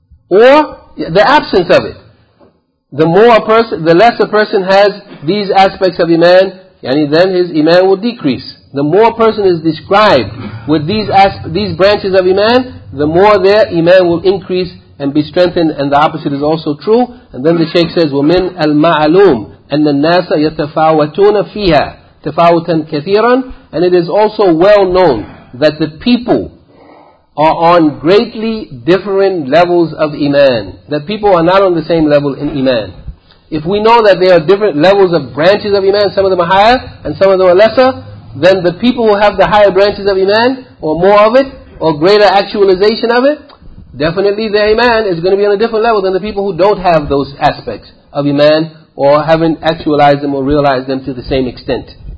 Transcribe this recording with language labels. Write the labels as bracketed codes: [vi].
[en] Or the absence of it. The more a person, the less a person has these aspects of iman, yani, then his iman will decrease. The more a person is described with these branches of iman, the more their iman will increase and be strengthened, and the opposite is also true. And then the shaykh says, [ar] وَمِنْ الْمَعْلُومِ أَنَّ النَّاسَ يَتَفَاوَتُونَ فِيهَا تَفَاوَتًا كَثِيرًا. [en] And it is also well known that the people are on greatly different levels of iman. That people are not on the same level in iman. If we know that there are different levels of branches of iman, some of them are higher and some of them are lesser, then the people who have the higher branches of iman, or more of it, or greater actualization of it, definitely their iman is going to be on a different level than the people who don't have those aspects of iman, or haven't actualized them or realized them to the same extent.